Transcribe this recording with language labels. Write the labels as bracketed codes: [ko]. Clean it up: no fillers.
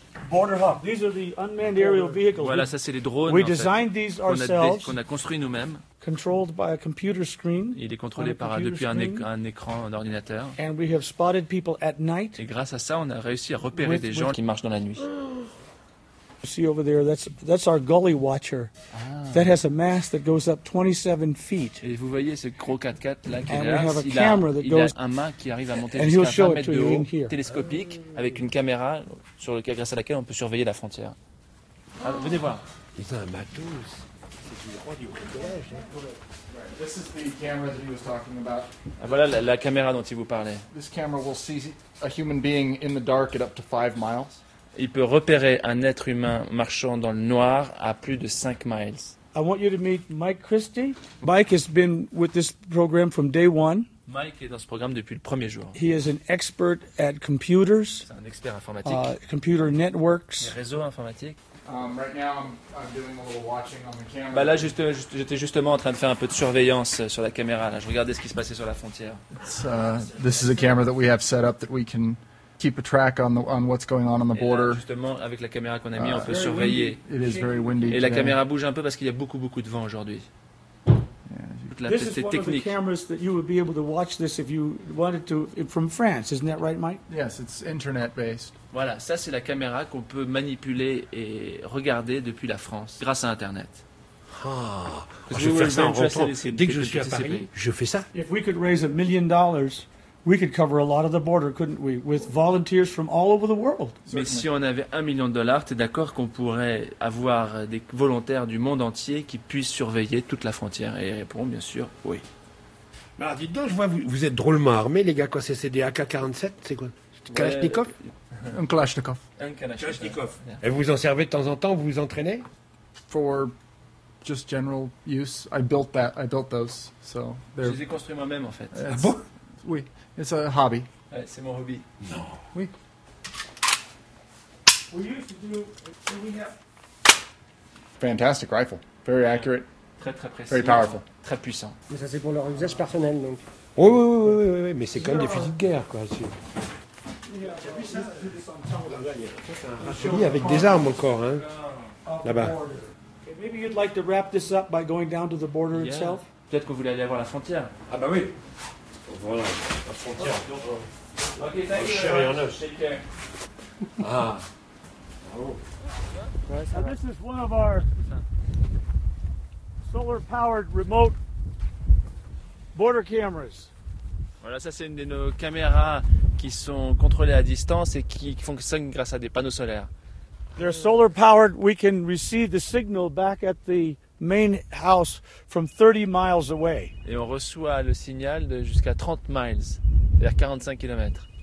[en] Border hawk. These are the unmanned aerial vehicles. [fr] Voilà, ça c'est les drones. [en] We designed these ourselves. [fr] Qu'on a construit nous-mêmes. [en] Controlled by a computer screen. [fr] Il est contrôlé depuis un écran d'ordinateur. [en] And we have spotted people at night. [fr] Et grâce à ça, on a réussi à repérer des gens qui marchent dans la nuit. [en] You see over there, that's our gully watcher. That has a mast that goes up 27 feet. [fr] Et vous voyez ce gros 4x4 là qui est là. Il a un mât qui arrive à monter jusqu'à 20 mètres de haut, télescopique, avec une caméra sur lequel, grâce à laquelle on peut surveiller la frontière. Alors, venez voir. Il a un matos. [en] This is the camera that he was talking about. [fr] Voilà la caméra dont il vous parlait. [en] This camera will see a human being in the dark at up to 5 miles. [fr] Il peut repérer un être humain marchant dans le noir à plus de 5 miles. [en] I want you to meet Mike Christie. Mike has been with this program from day one. [fr] Mike est dans ce programme depuis le premier jour. [en] He is an expert at computers. [fr] C'est un expert informatique. [en] Computer networks. [fr] Les réseaux informatiques. [en] Right now I'm doing a little watching on the camera. [fr] Bah là, j'étais justement en train de faire un peu de surveillance sur la caméra. Là. Je regardais ce qui se passait sur la frontière. [en] This is a camera that we have set up that we can keep a track on what's going on the border. [fr] Et là, justement, avec la caméra qu'on a mis, on peut surveiller. [en] It is very windy. [fr] Et la caméra bouge un peu parce qu'il y a beaucoup de vent aujourd'hui. [en] This is one of the cameras that you would be able to watch this if you wanted to from France, isn't that right, Mike? Yes, it's internet based. [fr] Voilà, ça c'est la caméra qu'on peut manipuler et regarder depuis la France grâce à Internet. Je vais faire ça en rentrant. Dès que je suis à Paris, je fais ça. [en] If we could raise $1 million, we could cover a lot of the border, couldn't we, with volunteers from all over the world. [fr] Mais si on avait $1 million, t'es d'accord qu'on pourrait avoir des volontaires du monde entier qui puissent surveiller toute la frontière? Et répond bien sûr oui. Alors dites donc, je vois vous êtes drôlement armés, les gars. Quoi, c'est des AK-47, c'est quoi? Kalachnikov? Un Kalachnikov. Un Kalachnikov. Et vous en servez de temps en temps? Vous vous entraînez? [en] For just general use, I built those, so. [fr] Je les ai construits moi-même en fait. Ah bon? [en] Oui, it's a hobby. [fr] Ouais, c'est mon hobby. [en] No. [fr] Oui. [en] Fantastic rifle. Very accurate. [fr] Très très précis. [en] Very powerful. [fr] Très puissant. Mais ça c'est pour leur usage personnel donc. Oui. Mais c'est quand même des fusils de guerre quoi. C'est... Oui, avec des armes encore hein. Là-bas. [en] Maybe you'd like to wrap this up by going down to the border itself. [fr] Peut-être que vous voulez aller voir la frontière. Ah bah oui. Voilà, la frontière. [en] Okay, oh, cher et en os. Ah. [fr] Bravo. [en] And this is one of our solar-powered remote border cameras. [fr] Voilà, ça c'est une de nos caméras qui sont contrôlées à distance et qui fonctionnent grâce à des panneaux solaires. [en] They're solar-powered. We can receive the signal back at the main house from 30 miles away. [fr] Et on reçoit le signal de jusqu'à 30 miles, c'est-à-dire 45 kilomètres.